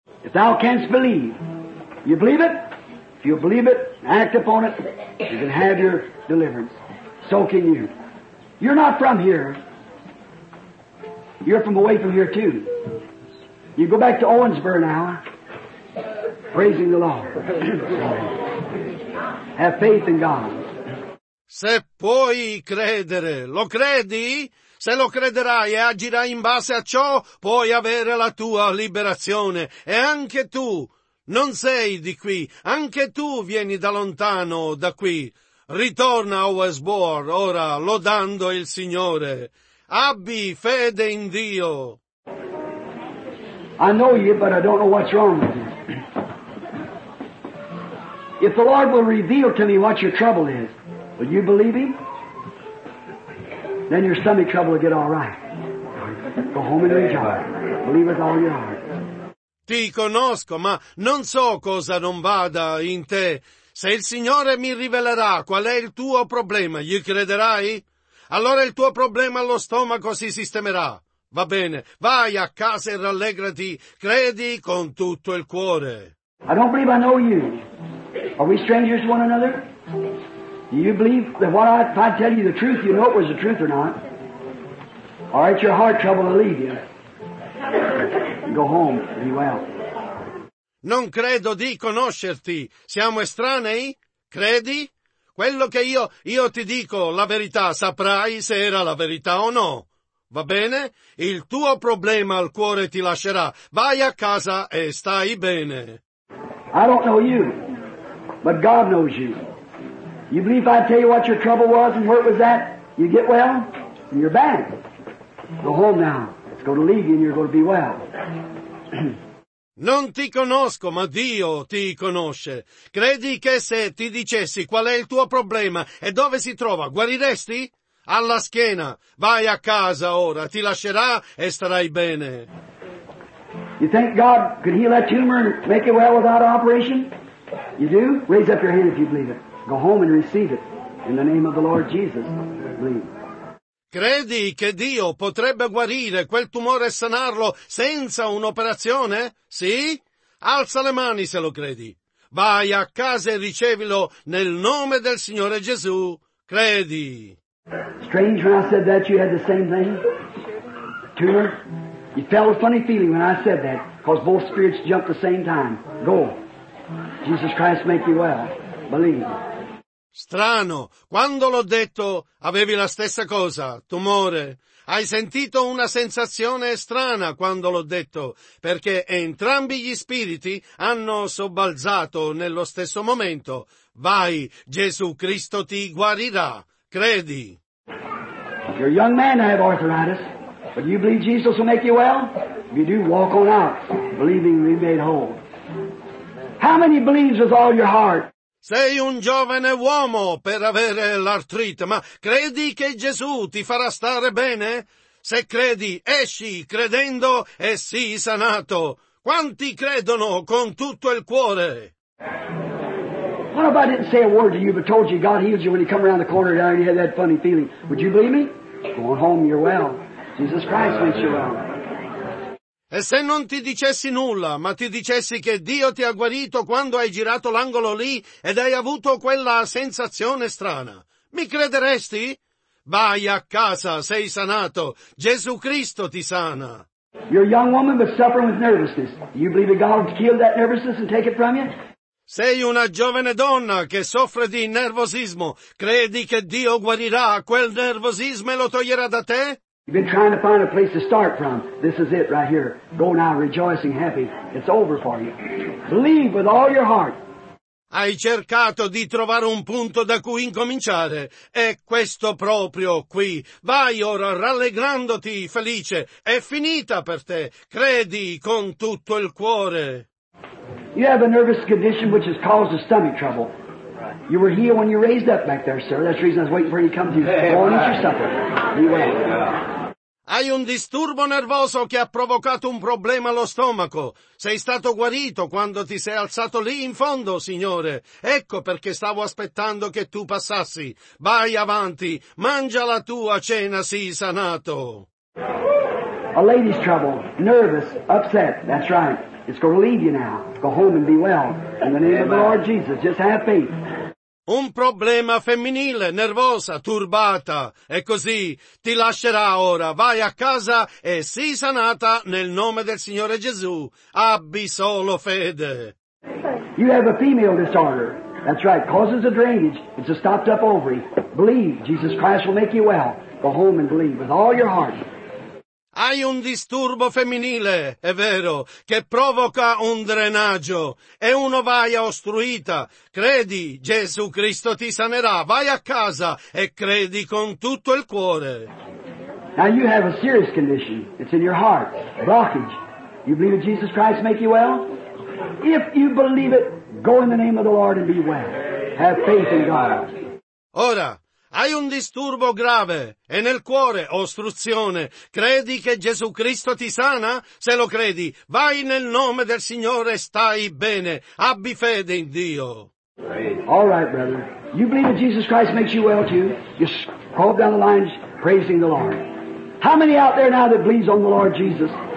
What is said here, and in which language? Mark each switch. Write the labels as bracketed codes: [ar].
[en] If thou canst believe, you believe it? If you believe it, act upon it, you can have your deliverance. So can you. You're not from here. You're from away from here too. You go back to Owensboro now. Praising the Lord. Have faith in God. [it] Se puoi credere, lo credi? Se lo crederai e agirai in base a ciò, puoi avere la tua liberazione. E anche tu non sei di qui. Anche tu vieni da lontano, da qui. Ritorna a Westbourne, ora, lodando il Signore. Abbi fede in Dio. [en] I know you, but I don't know what's wrong with you. If the Lord will reveal to me what your trouble is, will you believe Him? Then your stomach trouble will get all right. Go home and rejoice. Believe with all your heart. [it] Ti conosco, ma non so cosa non vada in te. Se il Signore mi rivelerà qual è il tuo problema, gli crederai? Allora il tuo problema allo stomaco si sistemerà. Va bene, vai a casa e rallegrati. Credi con tutto il cuore. [en] I don't believe I know you. Are we strangers to one another? Do you believe that what I, if I tell you the truth, you know it was the truth or not? Or it's your heart trouble to leave you? Go home, be well. [it] Non credo di conoscerti. Siamo estranei? Credi? Quello che io ti dico la verità, saprai se era la verità o no. Va bene? Il tuo problema al cuore ti lascerà. Vai a casa e stai bene. [en] I don't know you. But God knows you. You believe I tell you what your trouble was and where it was at? You get well, and you're back. Go home now. It's going to leave you, and you're going to be well. [it] Non ti conosco, ma Dio ti conosce. Credi che se ti dicessi qual è il tuo problema e dove si trova, guariresti? alla schiena. Vai a casa ora, ti lascerà e starai bene. [en] You think God could heal that tumor and make it well without operation? You do? Raise up your hand if you believe it. Go home and receive it in the name of the Lord Jesus. Believe. [it] Credi che Dio potrebbe guarire quel tumore e sanarlo senza un'operazione? Sì? Alza le mani se lo credi. Vai a casa e ricevilo nel nome del Signore Gesù. Credi. [en] Strange when I said that you had the same thing. Tumor. You felt a funny feeling when I said that, because both spirits jumped the same time. Go. Jesus Christ make you well. Believe. [it] Strano, quando l'ho detto avevi la stessa cosa, tumore. Hai sentito una sensazione strana quando l'ho detto, perché entrambi gli spiriti hanno sobbalzato nello stesso momento. Vai, Gesù Cristo ti guarirà, credi. [en] If you're a young man, I have arthritis, but you believe Jesus will make you well? If you do, walk on out, believing we made whole. How many believes with all your heart? [it] Sei un giovane uomo per avere l'artrite, ma credi che Gesù ti farà stare bene? Se credi, esci credendo e sii sanato. Quanti credono con tutto il cuore? [en] What if I didn't say a word to you but told you God heals you when you come around the corner there and you had that funny feeling? Would you believe me? Going home, you're well. Jesus Christ makes you well. [it] E se non ti dicessi nulla, ma ti dicessi che Dio ti ha guarito quando hai girato l'angolo lì ed hai avuto quella sensazione strana, mi crederesti? Vai a casa, sei sanato. Gesù Cristo ti sana. [en] You're a young woman but suffering with nervousness. Do you believe that God will kill that nervousness and take it from you? [it] Sei una giovane donna che soffre di nervosismo. Credi che Dio guarirà quel nervosismo e lo toglierà da te? [en] You've been trying to find a place to start from. This is it right here. Go now rejoicing, happy. It's over for you. Believe with all your heart. [it] Hai cercato di trovare un punto da cui incominciare. È questo proprio qui. Vai ora rallegrandoti, felice. È finita per te. Credi con tutto il cuore. [en] You have a nervous condition which has caused a stomach trouble. You were healed when you raised up back there, sir. That's the reason I was waiting for you to come to you. Go on, eat your supper. Be well. [it] Hai un disturbo nervoso che ha provocato un problema allo stomaco. Sei stato guarito quando ti sei alzato lì in fondo, Signore. Ecco perché stavo aspettando che tu passassi. Vai avanti, mangia la tua cena, sii sanato. [en] A lady's trouble, nervous, upset, that's right. It's going to leave you now. Go home and be well. In the name of the Lord Jesus, just have faith. [it] Un problema femminile, nervosa, turbata. E così ti lascerà ora. Vai a casa e sii sanata nel nome del Signore Gesù. Abbi solo fede. [en] You have a female disorder. That's right. Causes a drainage. It's a stopped up ovary. Believe. Jesus Christ will make you well. Go home and believe with all your heart. [it] Hai un disturbo femminile, è vero, che provoca un drenaggio. È un'ovaia ostruita. Credi, Gesù Cristo ti sanerà. Vai a casa e credi con tutto il cuore. [en] Now you have a serious condition. It's in your heart. Blockage. You believe that Jesus Christ make you well? If you believe it, go in the name of the Lord and be well. Have faith in God. [it] Ora. Hai un disturbo grave e nel cuore ostruzione. Credi che Gesù Cristo ti sana? Se lo credi, vai nel nome del Signore e stai bene. Abbi fede in Dio. [en] All right, brother. You believe that Jesus Christ makes you well too? You crawl down the lines praising the Lord. How many out there now that believes on the Lord Jesus?